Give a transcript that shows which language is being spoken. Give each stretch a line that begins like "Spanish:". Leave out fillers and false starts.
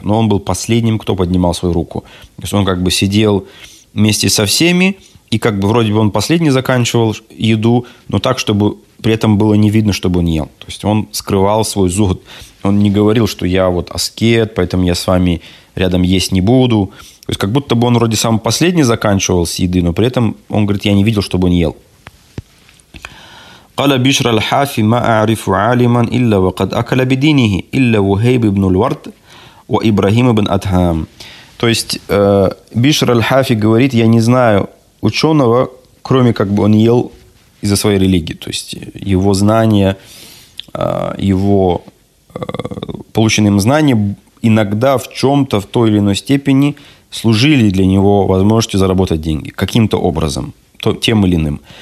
Russian: Но он был последним, кто поднимал свою руку. То есть он как бы сидел вместе со всеми, и как бы вроде бы он последний заканчивал еду, но так, чтобы при этом было не видно, чтобы он ел. То есть он скрывал свой зуд. Он не говорил, что я вот аскет, поэтому я с вами рядом есть не буду. То есть как будто бы он вроде самый последний заканчивал с еды, но при этом он говорит, я не видел, чтобы он ел.
Arabic: قال بشر الحافي ما أعرف عالما إلا وقد أكل بدينه إلا وهيب بن الورد وإبراهيم بن أتهام.
Russian: То есть Бишр аль-Хафи говорит, я не знаю ученого, кроме как бы он ел из-за своей религии. То есть его знания, его полученные им знания иногда в чем-то, в той или иной степени служили для него возможностью заработать деньги каким-то образом. Тем или иным.